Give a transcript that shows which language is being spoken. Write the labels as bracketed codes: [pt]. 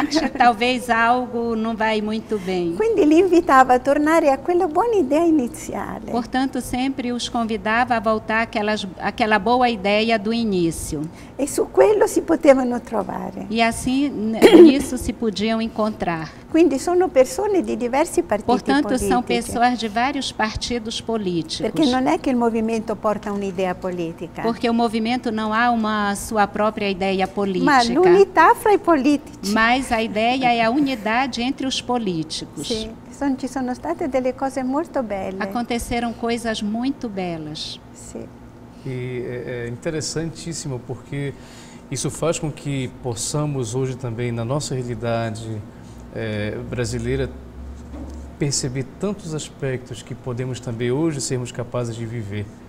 [pt] Frente, talvez algo não vai muito bem. [it] Quindi li invitava a tornare a quella buona idea iniziale. [pt] Portanto, sempre os convidava a voltar aquela boa ideia do início. [it] E su quello si potevano trovare. [pt] E assim nisso se podiam encontrar. [it] Quindi sono persone di diversi partiti politici. [pt] Portanto, são pessoas de vários partidos políticos. [it] Perché non è che il movimento porta un'idea politica. [pt] Porque o movimento não há uma sua própria ideia politica. [it] Ma l'unità fra i politici. [pt] Mas a ideia é a unidade entre os políticos. [it] Sì, ci sono state delle cose molto belle. [pt] Aconteceram coisas muito belas. [it] Sì. [pt] E é interessantíssimo porque isso faz com que possamos hoje também na nossa realidade brasileira perceber tantos aspectos que podemos também hoje sermos capazes de viver.